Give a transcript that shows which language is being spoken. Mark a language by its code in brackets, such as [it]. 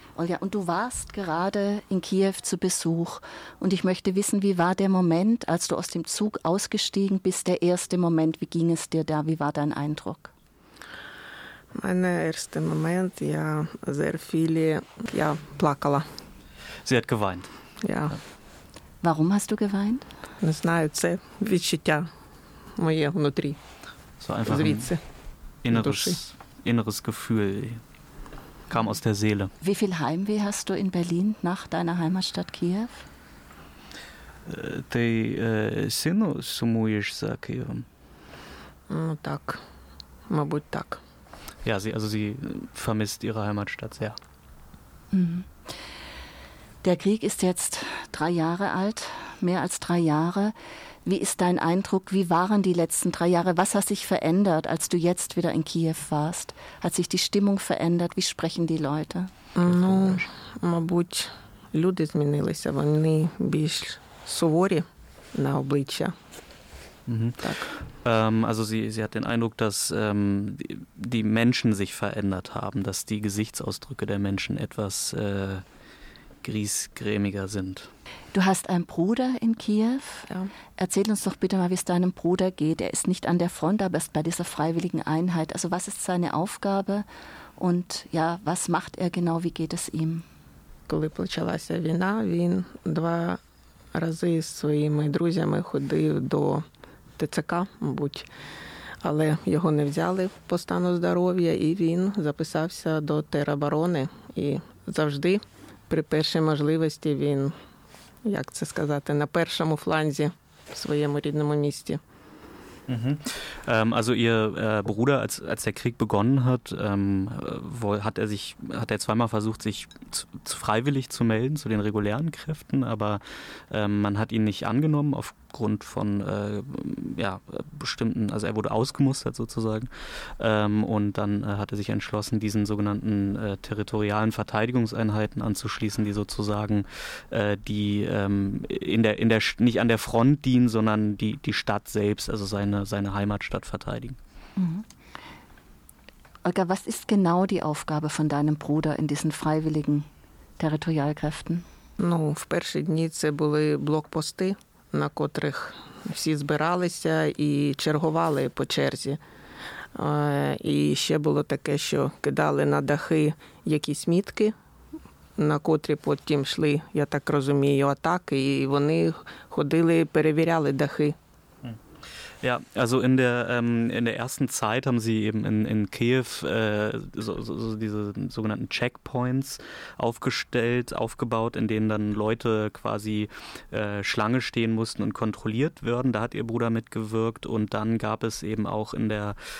[de] Olga, und du warst gerade in Kiew zu Besuch. Und ich möchte wissen, wie war der Moment, als du aus dem Zug ausgestiegen bist, der erste Moment? Wie ging es dir da? Wie war dein Eindruck? Mein erster Moment, ja, sehr viele, ja, [uk] plakala. [de] Sie hat geweint. Ja. Warum hast du geweint? [uk] Не знаю, це відчуття моє внутрі. [de] So einfach ein inneres Gefühl kam aus der Seele. Wie viel Heimweh hast du in Berlin nach deiner Heimatstadt Kiew? [uk] Ти сильно сумуєш за Києвом? Ну так, мабуть так. [de] Ja, sie vermisst ihre Heimatstadt sehr. Der Krieg ist jetzt 3 Jahre alt, mehr als 3 Jahre. Wie ist dein Eindruck? Wie waren die letzten 3 Jahre? Was hat sich verändert, als du jetzt wieder in Kiew warst? Hat sich die Stimmung verändert? Wie sprechen die Leute? [uk] Ну, мабуть, люди змінилися, вони більш суворі на обличчя. [de] Also sie hat den Eindruck, dass die Menschen sich verändert haben, dass die Gesichtsausdrücke der Menschen etwas griesgrämiger sind. Du hast einen Bruder in Kiew. Ja. Erzähl uns doch bitte mal, wie es deinem Bruder geht. Er ist nicht an der Front, aber ist bei dieser freiwilligen Einheit. Also was ist seine Aufgabe und ja, was macht er genau, wie geht es ihm? [uk] Коли почалася війна, він 2 рази з своїми друзями ходив до ТЦК, мабуть, але його не взяли по стану здоров'я, і він записався до тероборони. І завжди при першій можливості він, як це сказати, на першому фланзі в своєму рідному місті. [de] Also ihr Bruder, als der Krieg begonnen hat, hat er zweimal versucht, sich freiwillig zu melden zu den regulären Kräften, aber man hat ihn nicht angenommen aufgrund von bestimmten, also er wurde ausgemustert sozusagen und dann hat er sich entschlossen, diesen sogenannten territorialen Verteidigungseinheiten anzuschließen, die sozusagen nicht an der Front dienen, sondern die Stadt selbst, also seine Heimatstadt verteidigen. Mhm. Olga, was ist genau die Aufgabe von deinem Bruder in diesen freiwilligen Territorialkräften? [uk] Ну, в перші дні це були блокпости, на котрих всі збиралися і чергували по черзі. І ще було таке, що кидали на дахи якісь мітки, на котрі потім йшли, я так розумію, атаки, і вони ходили, перевіряли дахи. [de] Ja, also in der ersten Zeit haben sie eben in Kiew diese sogenannten Checkpoints aufgebaut, in denen dann Leute quasi Schlange stehen mussten und kontrolliert werden. Da hat ihr Bruder mitgewirkt und dann gab es eben auch in der